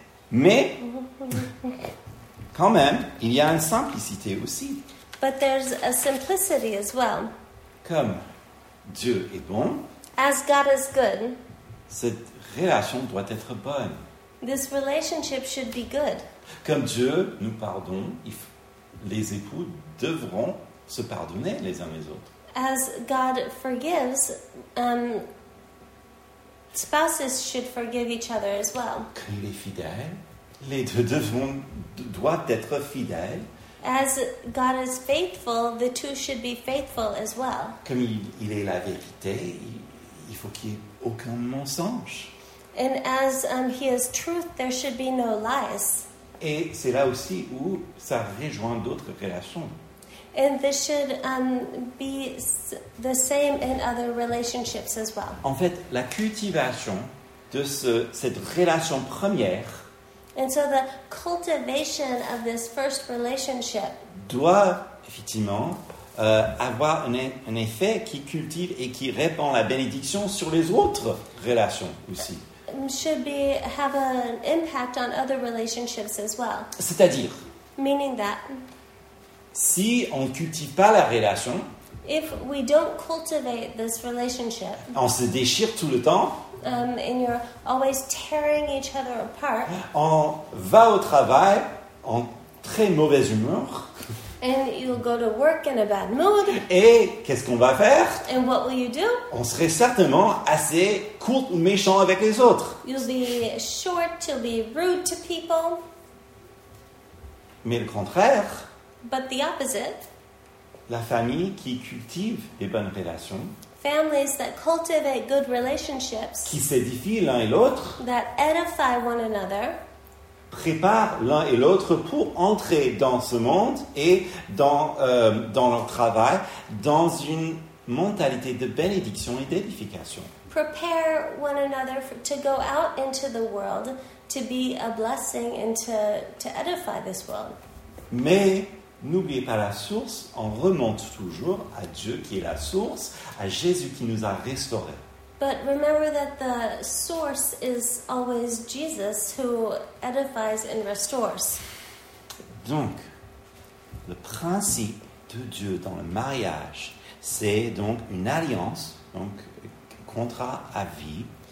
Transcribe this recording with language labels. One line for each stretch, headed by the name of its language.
French: Mais, quand même, il y a une simplicité aussi.
English: But there's a simplicity as well.
French: Comme Dieu est bon,
English: as God is good,
French: cette relation doit être bonne.
English: This relationship should be good.
French: Comme Dieu nous pardonne, les époux devront se pardonner les uns les autres.
English: As God forgives, spouses should forgive each other as well.
French: Comme il est fidèle, les deux doivent être fidèles.
English: As God is faithful, the two should be faithful as well.
French: Comme il est la vérité, il faut qu'il n'y ait aucun mensonge.
English: And as he is truth, there should be no lies.
French: Et c'est là aussi où ça rejoint d'autres relations.
English: And this should be the same in other relationships as well.
French: En fait, la cultivation de cette relation première.
English: And so the cultivation of this first relationship
French: doit effectivement avoir un effet qui cultive et qui répand la bénédiction sur les autres relations aussi.
English: Should be have an impact on other relationships as well.
French: C'est-à-dire.
English: Meaning that.
French: Si on ne cultive pas la relation,
English: if we don't cultivate this relationship,
French: on se déchire tout le temps,
English: and you're always tearing each other apart,
French: on va au travail en très mauvaise humeur,
English: and you'll go to work in a bad mood,
French: et qu'est-ce qu'on va faire?
English: And what will you do?
French: On serait certainement assez court ou méchant avec les autres.
English: You'll be short, you'll be rude to people.
French: Mais le contraire.
English: But the opposite.
French: La famille qui cultive les bonnes relations.
English: Families that cultivate good relationships.
French: Qui s'édifient l'un et l'autre.
English: That edify one another.
French: Préparent l'un et l'autre pour entrer dans ce monde et dans leur travail dans une mentalité de bénédiction et d'édification.
English: Prepare one another to go out into the world to be a blessing and to edify this world.
French: Mais n'oubliez pas la source, on remonte toujours à Dieu qui est la source, à Jésus qui nous a restaurés.
English: But remember that the source is always Jesus who edifies and restores.
French: Donc, le principe de Dieu dans le mariage, c'est donc une alliance, donc un contrat à vie.